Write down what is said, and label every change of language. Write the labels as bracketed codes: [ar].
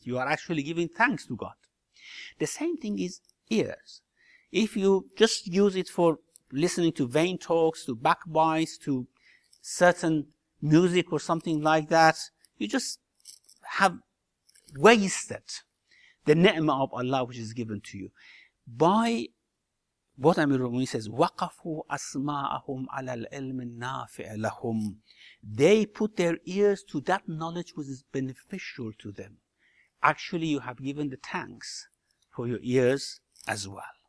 [en] You are actually giving thanks to God. The same thing is ears. If you just use it for listening to vain talks, to backbites, to certain music or something like that, you just have wasted the ni'mah of Allah which is given to you. By what Amir al-Mu'minin says, [ar] وَقَفُوا أَسْمَاءَهُمْ عَلَى الْعِلْمِ النَّافِعِ لَهُمْ. [en] They put their ears to that knowledge which is beneficial to them. Actually, you have given the thanks for your ears as well.